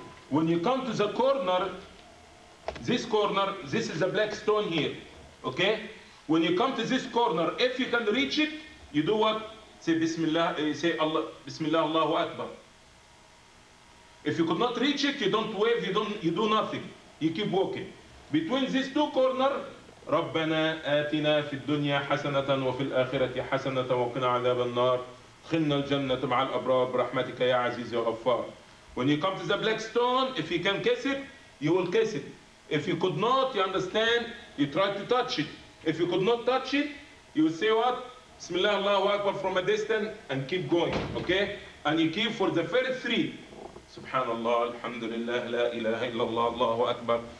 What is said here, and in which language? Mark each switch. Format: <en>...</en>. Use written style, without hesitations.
<en>When you come to the corner, this is a black stone here, okay? When you come to this corner, if you can reach it, you do what? Say Bismillah, say Allah, Bismillah Allahu Akbar. If you could not reach it, you don't wave, you do nothing. You keep walking. Between these two corners,</en> <ar>ربنا آتنا في الدنيا حسنة وفي الآخرة حسنة وقنا عذاب النار خلنا الجنة مع الأبرار برحمتك يا عزيز يا غفار.</ar> <en>When you come to the black stone, if you can kiss it, you will kiss it. If you could not, you understand, you try to touch it. If you could not touch it, you say what? Bismillah Allahu Akbar from a distance and keep going, okay? And you keep for the first three. Subhanallah, alhamdulillah, la ilaha illallah, Allahu Akbar.</en>